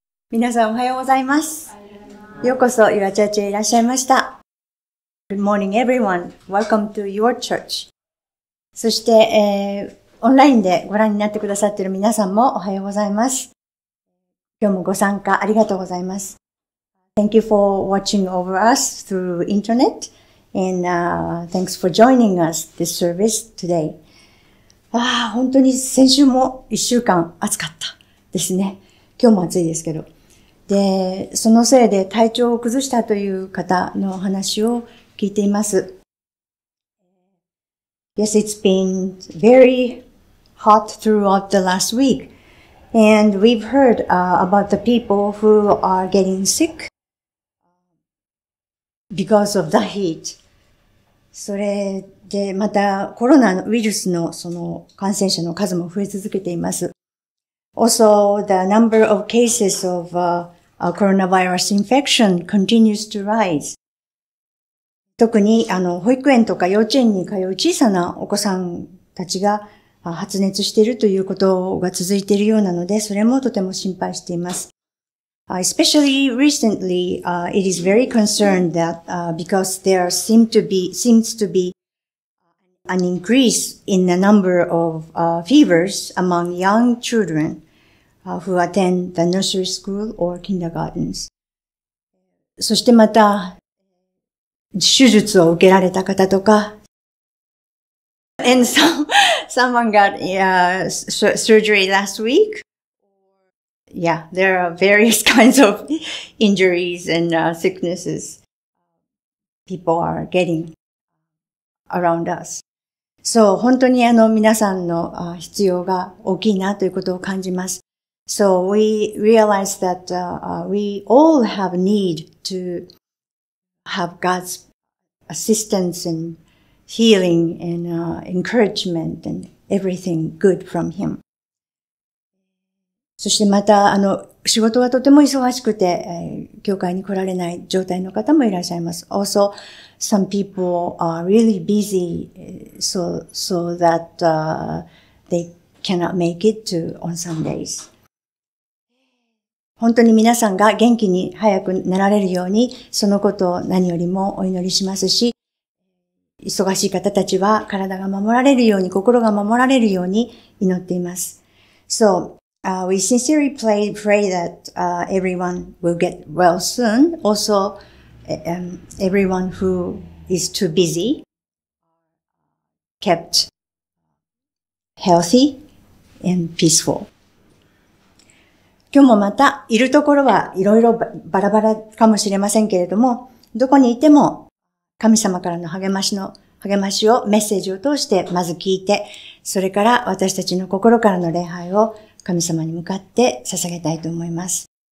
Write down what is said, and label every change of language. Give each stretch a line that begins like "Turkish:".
Japanese: 皆さんおはようございます。ようこそ、ユアチャーチへいらっしゃいました。
English: Good morning, everyone. Welcome to your church.
Japanese: そして、オンラインでご覧になってくださっている皆さんもおはようございます。今日もご参加ありがとうございます。
English: Thank you for watching over us through internet and thanks for joining us this service today.
Japanese: ああ、本当に先週も一週間暑かったですね。今日も暑いですけど。で、そのせいで体調を崩したという方の話を聞いています。
English: Yes, it's been very hot throughout the last week. And we've heard, about the people who are getting sick because of the heat.
Japanese: それで、またコロナウイルスのその感染者の数も増え続けています。
English: Also, the number of cases of, coronavirus infection continues to rise.
Japanese: 特に、保育園とか幼稚園に通う小さなお子さんたちが発熱しているということが続いているようなので、それもとても心配しています。
English: Especially recently, it is very concerned that, because there seems to be an increase in the number of, fevers among young children. Who attend the nursery school or kindergartens.
Japanese: そしてまた、手術を受けられた方とか、
English: and someone got, surgery last week. Yeah, there are various kinds of injuries and, sicknesses people are getting around us.
Japanese: そう、本当に皆さんの、必要が大きいなということを感じます。
English: So we realize that we all have need to have God's assistance and healing and encouragement and everything good from Him.
Japanese: そしてまた仕事はとても忙しくて、教会に来られない状態の方もいらっしゃいます。
English: Also, some people are really busy so that they cannot make it to on Sundays.
Japanese: 本当に皆さんが元気に早くなられるように、そのことを何よりもお祈りしますし、忙しい方たちは体が守られるように、心が守られるように祈っています。
English: So, we sincerely pray that everyone will get well soon. Also, everyone who is too busy, kept healthy and peaceful.
Japanese: 今日もまた、いるところはいろいろバラバラかもしれませんけれども、どこにいても、神様からの励ましを、メッセージを通して、まず聞いて、それから私たちの心からの礼拝を神様に向かって捧げたいと思います。